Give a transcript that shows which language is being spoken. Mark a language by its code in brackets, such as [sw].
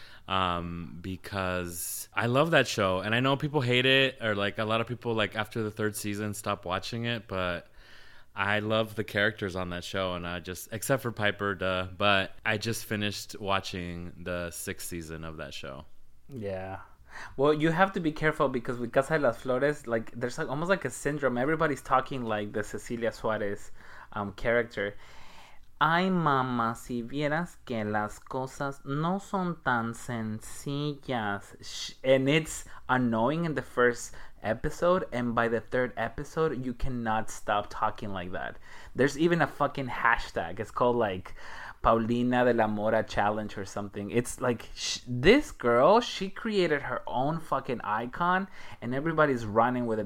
[en] Because I love that show, and I know people hate it, or like a lot of people like after the third season stop watching it, but I love the characters on that show, and I just, except for Piper, duh, but I just finished watching the sixth season of that show. Yeah. Well, you have to be careful because with Casa de las Flores, like, there's like almost like a syndrome. Everybody's talking like the Cecilia Suarez character. [es] Ay, mama, si vieras que las cosas no son tan sencillas. [en] And it's annoying in the first episode, and by the third episode, you cannot stop talking like that. There's even a fucking hashtag. It's called, like, Paulina de la Mora Challenge or something. It's like, this girl, she created her own fucking icon, and everybody's running with it.